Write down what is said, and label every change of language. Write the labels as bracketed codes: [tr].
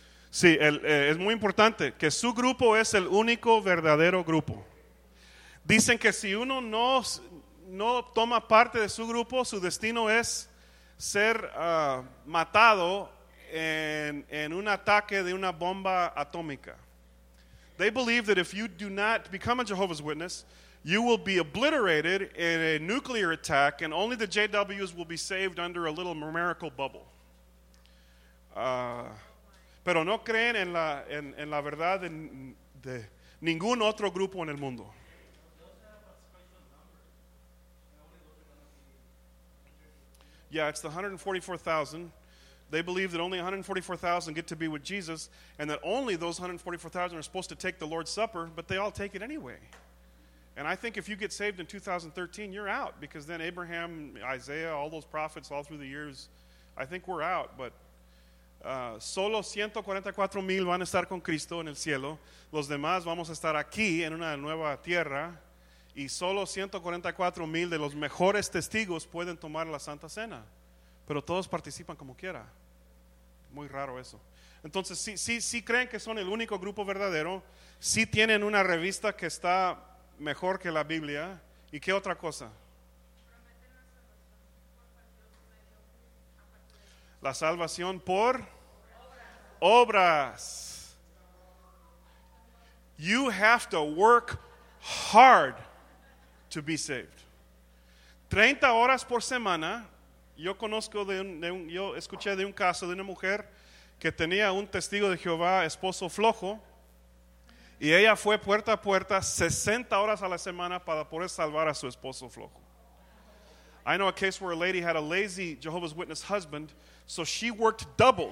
[es] Sí, es muy importante que su grupo es el único verdadero grupo. Dicen que si uno no toma parte de su grupo, su destino es ser matado en un ataque de una bomba atómica. [en] They believe that if you do not become a Jehovah's Witness, you will be obliterated in a nuclear attack, and only the JWs will be saved under a little numerical bubble. [es] Pero no creen en la verdad de ningún otro grupo en el mundo. [en] Yeah, it's the 144,000. They believe that only 144,000 get to be with Jesus, and that only those 144,000 are supposed to take the Lord's Supper, but they all take it anyway. And I think if you get saved in 2013, you're out, because then Abraham, Isaiah, all those prophets all through the years, I think we're out. But [es] solo 144,000 van a estar con Cristo en el cielo. Los demás vamos a estar aquí en una nueva tierra. Y solo 144,000 de los mejores testigos pueden tomar la Santa Cena. Pero todos participan como quiera. Muy raro eso. Entonces, sí creen que son el único grupo verdadero. Sí tienen una revista que está mejor que la Biblia. ¿Y qué otra cosa? La salvación por obras. [en] You have to work hard to be saved. [es] 30 horas por semana. Yo conozco yo escuché de un caso de una mujer que tenía un testigo de Jehová, esposo flojo. Y ella fue puerta a puerta 60 horas a la semana para poder salvar a su esposo flojo. [en] I know a case where a lady had a lazy Jehovah's Witness husband, so she worked double.